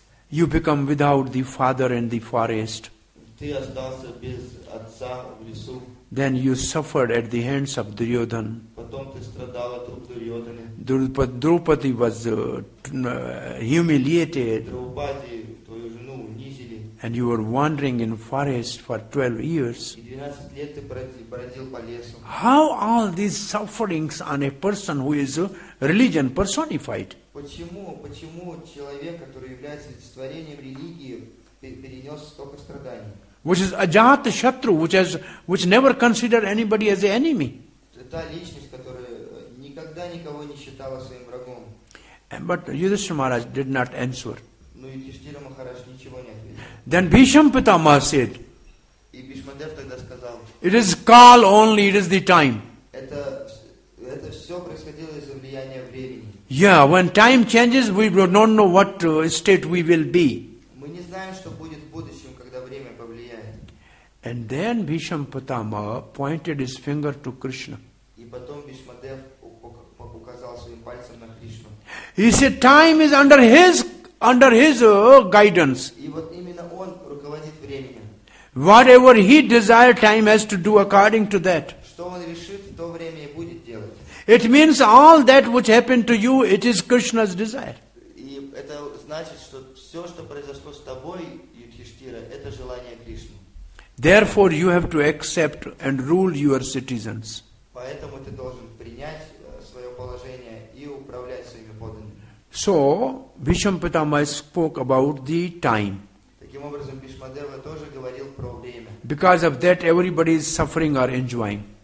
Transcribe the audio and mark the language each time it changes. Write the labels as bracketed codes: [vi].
[en] You become without the father in the forest. [ru] Ты остался без отца в лесу. [en] Then you suffered at the hands of Duryodhana. [ru] Потом ты страдал от рук Дурьодхана. [en] Друпади was humiliated. [ru] Друпади, твою жену унизили. [en] And you were wandering in forest for 12 years. [ru] И 12 лет ты бродил по лесу. [en] How all these sufferings on a person who is religion personified? [ru] Почему человек, который является олицетворением религии, перенес столько страданий? [en] Which is Ajatashatru, which never considered anybody as an enemy. [ru] Та личность, которая никогда никого не считала своим врагом. [en] But Yudhishthira Maharaj did not answer. [ru] Но Юдхиштхира Махарадж ничего не ответил. [en] Then Bhisham Pitamah said, [ru] и Бишмадев тогда сказал, [en] it is Kal only, it is the time. [ru] Это все происходило из-за влияния времени. [en] Yeah, when time changes, we don't know what state we will be. [ru] Мы не знаем, что будет в будущем, когда время повлияет. [en] And then Bhisham Pitamah pointed his finger to Krishna. [ru] И потом Бишмадев указал своим пальцем на Кришну. [en] He said, time is under his guidance. [ru] И вот именно он руководит временем. [en] Whatever he desires, time has to do according to that. [ru] Что он решит, то время и будет делать. [en] It means all that which happened to you, it is Krishna's desire. [ru] И это значит, что все, что произошло с тобой, Юдхиштхира, это желание Кришны. [en] Therefore, you have to accept and rule your citizens. [ru] Поэтому ты должен принять свое положение и управлять своими подданными. [en] So, Bhisham Pitamah spoke about the time. [ru] Таким образом, Бишмадева тоже говорил про время. [en] Because of that, everybody is suffering or enjoying.